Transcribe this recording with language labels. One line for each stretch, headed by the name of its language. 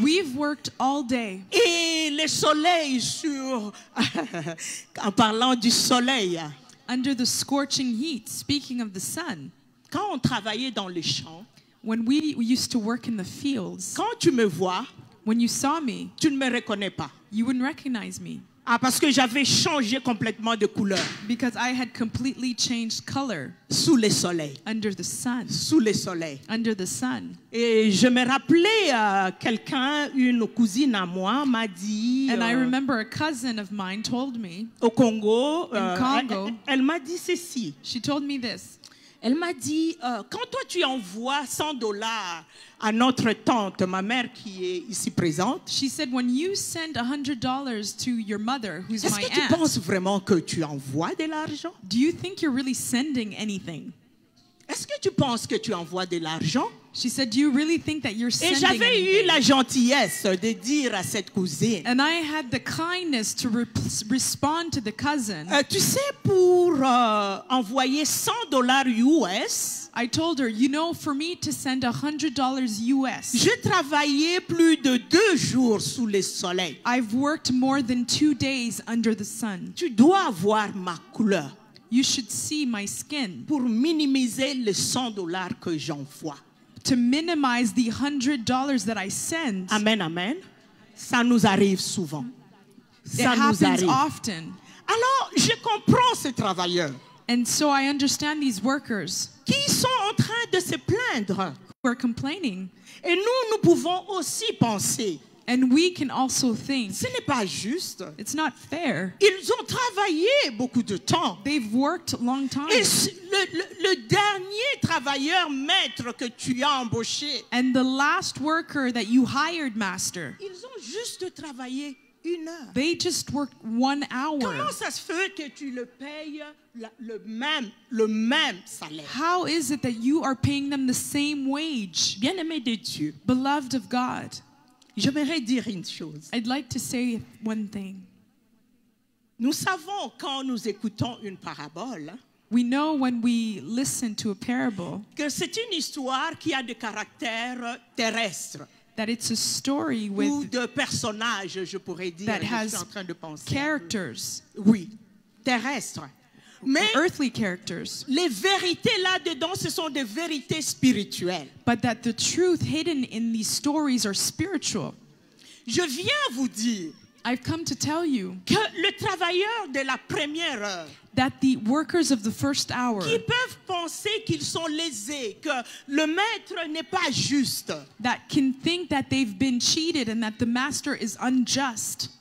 English: We've worked all day.
French: Et le soleil sur... en parlant du soleil.
English: Under the scorching heat, speaking of the sun.
French: Quand on travaillait dans les champs.
English: When we used to work in the fields.
French: Quand tu me vois.
English: When you saw me.
French: Tu ne me reconnais pas.
English: You wouldn't recognize me.
French: Ah, parce que j'avais changé complètement de couleur.
English: Because I had completely changed color.
French: Sous le soleil.
English: Under the sun.
French: Sous le soleil.
English: Under the sun.
French: Et je me rappelais, quelqu'un, une cousine à moi m'a dit.
English: And I remember a cousin of mine told me.
French: Au Congo.
English: In Congo.
French: Elle m'a dit ceci.
English: She told me this.
French: Elle m'a dit, quand toi tu envoies 100 dollars à notre tante, ma mère qui est ici présente.
English: She said, when you send $100 to your mother, who's my aunt.
French: Est-ce que tu penses vraiment que tu envoies de l'argent?
English: Do you think you're really sending anything?
French: Est-ce que tu penses que tu envoies de l'argent?
English: She said, do you really think that you're sending
French: Et j'avais
English: anything?
French: Eu la gentillesse de dire à cette cousine.
English: And I had the kindness to respond to the cousin.
French: Tu sais, pour envoyer 100 dollars US.
English: I told her, you know, for me to send $100 US.
French: Je travaillais plus de 2 jours sous le soleil.
English: I've worked more than 2 days under the sun.
French: Tu dois voir ma couleur.
English: You should see my skin.
French: Pour minimiser les 100 dollars que j'envoie.
English: To minimize the $100 that I send.
French: Amen, amen. Ça nous arrive souvent.
English: It happens often.
French: Alors, je comprends ces travailleurs.
English: And so I understand these workers.
French: Qui sont en train de se plaindre.
English: Who are complaining.
French: Et nous, nous pouvons aussi penser.
English: And we can also think.
French: Ce n'est pas juste.
English: It's not fair.
French: Ils ont travaillé beaucoup de temps.
English: They've worked a long time.
French: Et le dernier travailleur maître que tu as embauché.
English: And the last worker that you hired, master.
French: Ils ont juste travaillé une heure.
English: They just worked 1 hour.
French: Comment ça se fait que tu le payes le même salaire?
English: How is it that you are paying them the same wage?
French: Bien-aimé de Dieu.
English: Beloved of God.
French: J'aimerais dire une chose.
English: I'd like to say one thing.
French: Nous savons quand nous écoutons une parabole.
English: We know when we listen to a parable.
French: Que c'est une histoire qui a de caractère terrestre.
English: That it's a story with.
French: Ou de personnages, je pourrais dire.
English: That has
French: je suis en train de penser.
English: Characters.
French: Oui, terrestre. Mais
English: earthly characters.
French: Les vérités là dedans, ce sont des vérités spirituelles.
English: But that the truth hidden in these stories are spiritual.
French: Je viens vous dire.
English: I've come to tell you.
French: Que le travailleur de la première heure.
English: That the workers of the first hour.
French: Qui peuvent penser qu'ils sont lésés, que le maître n'est pas juste.
English: That can think that they've been cheated and that the master is unjust.